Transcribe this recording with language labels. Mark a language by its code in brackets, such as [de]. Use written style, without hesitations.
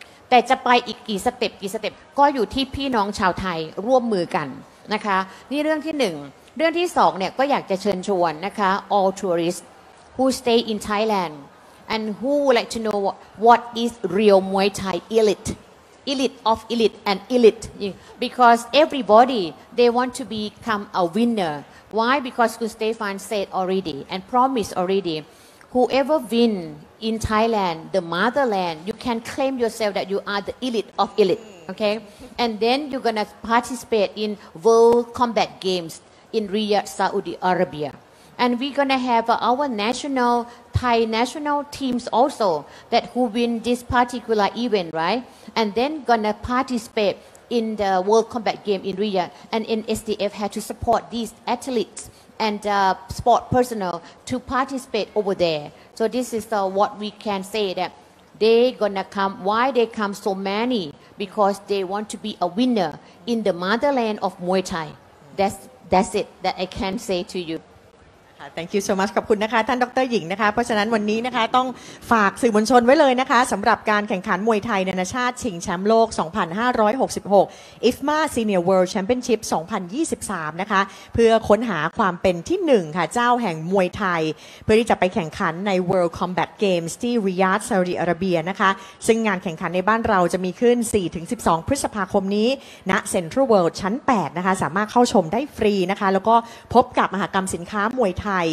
[th] แต่จะไปอีกกี่สเต็ปกี่สเต็ปก็อยู่ที่พี่น้องชาวไทยร่วมมือกันนะคะนี่เรื่องที่หนึ่งเรื่องที่สองเนี่ยก็อยากจะเชิญชวนนะคะ [en] all tourists who stay in Thailand and who like to know what is real Muay Thai elite elite of elite and elite because everybody they want to become a winnerWhy? Because Kun Stefan said already and promised already, whoever win in Thailand, the motherland, you can claim yourself that you are the elite of elite, okay? And then you're going to participate in World Combat Games in Riyadh, Saudi Arabia. And we're going to have our national, Thai national teams also that who win this particular event, right? And then going to participateIn the World Combat Game in Riyadh, and in SDF had to support these athletes and sport personnel to participate over there. So this is what we can say that they gonna come. Why they come so many? Because they want to be a winner in the motherland of Muay Thai. That's it that I can say to you. Thank you so much [th] ขอบคุณนะคะท่านดร.หญิงนะคะเพราะฉะนั้นวันนี้นะคะต้องฝากสื่อมวลชนไว้เลยนะคะสำหรับการแข่งขันมวยไทยนานาชาติชิงแชมป์โลก 2566 IFMA Senior World Championship 2023นะคะเพื่อค้นหาความเป็นที่1ค่ะเจ้าแห่งมวยไทยเพื่อที่จะไปแข่งขันใน World Combat Games ที่ริยาดซาอุดิอาระเบียนะคะซึ่งงานแข่งขันในบ้านเราจะมีขึ้น 4-12 พฤษภาคมนี้ณเซ็นทรัลเวิลด์ชั้น8นะคะสามารถเข้าชมได้ฟรีนะคะแล้วก็พบกับมหกรรมสินค้ามวยไทย